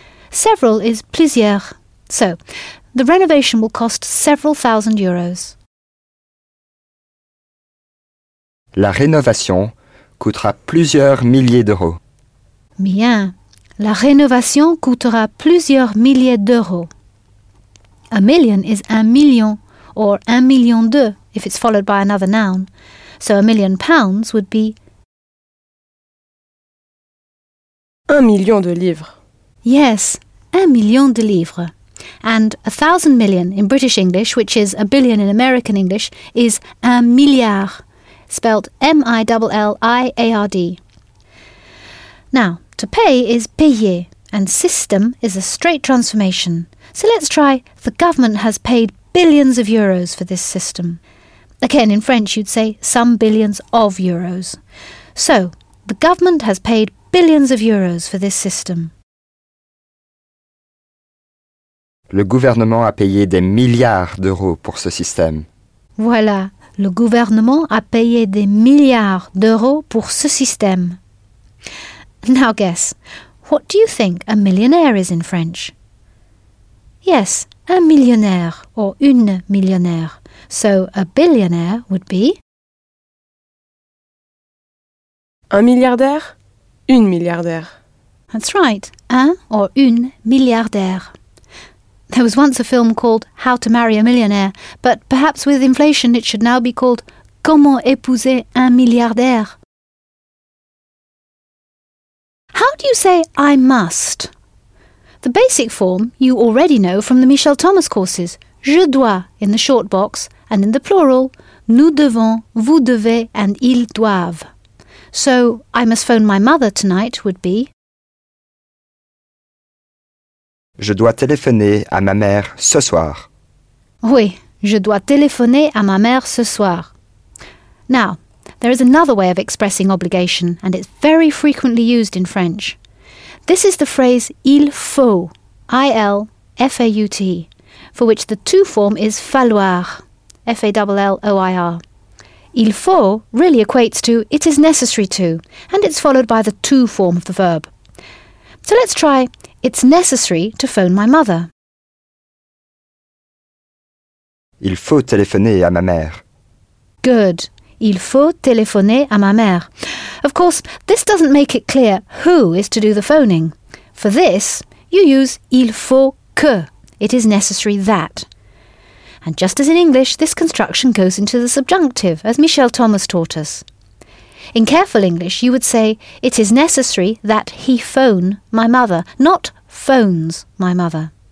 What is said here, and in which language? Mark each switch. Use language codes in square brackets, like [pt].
[en] Several is plusieurs. So, the renovation will cost several thousand euros. [fr] La rénovation coûtera plusieurs milliers d'euros. Bien, la rénovation coûtera plusieurs milliers d'euros. [en] A million is 1 million, or 1,000,002, if it's followed by another noun. So £1,000,000 would be... [fr] 1 million de livres. Yes, 1 million de livres. [en] And 1,000,000,000 in British English, which is 1 billion in American English, is 1 milliard, spelled M-I-L-L-I-A-R-D. Now, to pay is payer, and system is a straight transformation. So let's try, the government has paid billions of euros for this system. Again, in French, you'd say some billions of euros. So, the government has paid billions of euros for this system. [fr] Le gouvernement a payé des milliards d'euros pour ce système. Voilà, le gouvernement a payé des milliards d'euros pour ce système. [en] Now guess, what do you think a millionaire is in French? [fr] Yes, un millionnaire or une millionnaire. [en] So a billionaire would be... [fr] Un milliardaire, une milliardaire. [en] That's right, un or une milliardaire. There was once a film called How to Marry a Millionaire, but perhaps with inflation it should now be called [fr] Comment épouser un milliardaire? [en] How do you say I must? The basic form you already know from the Michel Thomas courses. Je dois in the short box, and in the plural, nous devons, vous devez, and ils doivent. So, I must phone my mother tonight would be... [fr] Je dois téléphoner à ma mère ce soir. Oui, je dois téléphoner à ma mère ce soir. [en] Now, there is another way of expressing obligation, and it's very frequently used in French. This is the phrase il faut, I-L-F-A-U-T, for which the to form is falloir, F-A-L-L-O-I-R. Il faut really equates to it is necessary to, and it's followed by the to form of the verb. So let's try, it's necessary to phone my mother. [fr] Il faut téléphoner à ma mère. [en] Good. [fr] Il faut téléphoner à ma mère. [en] Of course, this doesn't make it clear who is to do the phoning. For this, you use il faut que. It is necessary that. And just as in English, this construction goes into the subjunctive, as Michel Thomas taught us. In careful English, you would say, it is necessary that he phone my mother, not phones my mother.